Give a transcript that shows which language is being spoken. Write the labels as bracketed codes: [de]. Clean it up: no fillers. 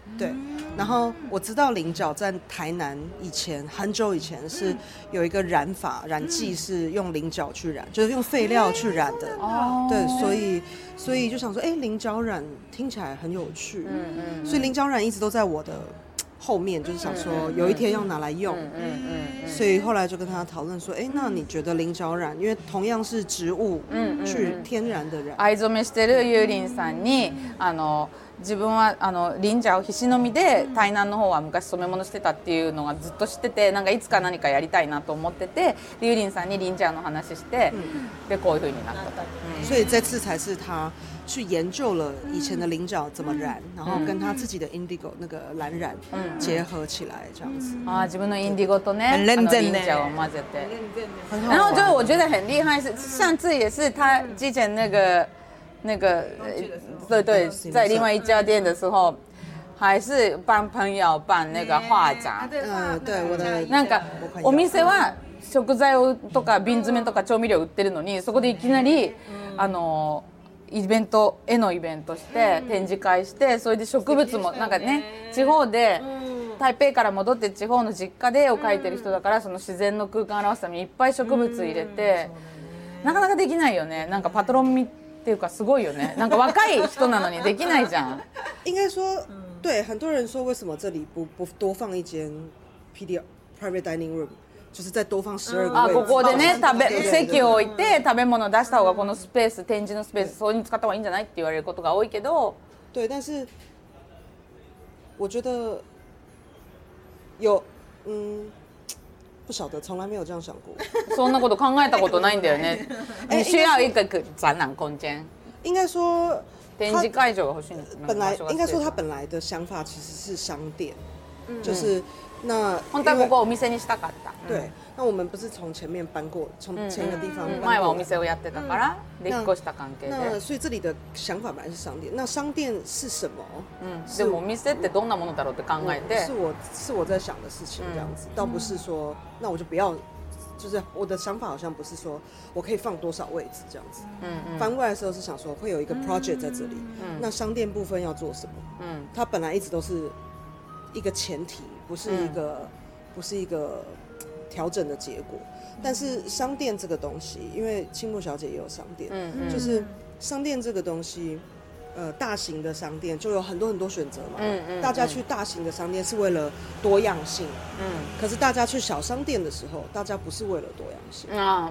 [zh] 对，然后我知道菱角在台南以前很久以前是有一个染法染剂是用菱角去染，就是用废料去染的。对，所以就想说，哎，菱角染听起来很有趣。所以菱角染一直都在我的后面，就是想说有一天要拿来用。所以后来就跟他讨论说，哎，那你觉得菱角染，因为同样是植物，去天然的染。 [ja] 藍染めしてるユーリンさんに、あの。自分はあのリンジャーをひしのみで台南の方は昔染め物してたっていうのがずっと知ってて、なんかいつか何かやりたいなと思ってて、リュウリンさんにリンジャーの話して、でこういう風になったと。 [zh] 所以这次才是他去研究了以前的菱角怎么染，然后跟他自己的 indigo 那个蓝染结合起来这样子。 [ja] 啊，自分の indigo とね、あのリンジャーを混ぜて。 [zh] 然后就我觉得很厉害，是上次也是他之前那个。对，在另外一家店的时候，还是帮朋友办那个画展。对，我的。 [ja] なんかお店は食材をとか瓶詰めとか調味料売ってるのに、そこでいきなりあのイベント絵のイベントして展示会して、それで植物もなんかね地方で台北から戻って地方の実家で絵を描いてる人だから、その自然の空間を表すためにいっぱい植物入れて、なかなかできないよね。なんかパトロンみっていうかすごいよね。なんか若い人なのにできないじゃん。 [zh] 应该说，对，很多人说为什么这里不多放一间 PD private dining room， 就是再多放十二个位置。 [ja] あ、ここでね、席を置いて食べ物を出した方がこのスペース展示のスペースそれに使った方がいいんじゃないって言われることが多いけど。 [zh] 对，但是我觉得有不晓得，从来没有这样想过。 [ja] そんなこと考えたことないんだよね。 [zh] 你需要一个展览空间。应该说， [ja] 展示会場が欲しい。 [zh] 本来应该说他本来的想法其实是商店，就是那。 [ja] 本当はここお店にしたかった。 [zh] 对，那我们不是从前面搬过，从前一个地方。 [ja] 前はお店をやってたから、引っ越した関係で。 [zh] 那所以这里的想法本来是商店，那商店是什么？ [ja] でもお店ってどんなものだろうって考えて。 [zh] 是我在想的事情，这样子，倒不是说那我就不要。就是我的想法好像不是说我可以放多少位置这样子，翻过来的时候是想说会有一个 project 在这里，那商店部分要做什么？它本来一直都是一个前提，不是一个调整的结果。但是商店这个东西，因为青木小姐也有商店，就是商店这个东西，大型的商店就有很多很多选择嘛，嗯嗯，大家去大型的商店是为了多样性，嗯，可是大家去小商店的时候，大家不是为了多样性啊，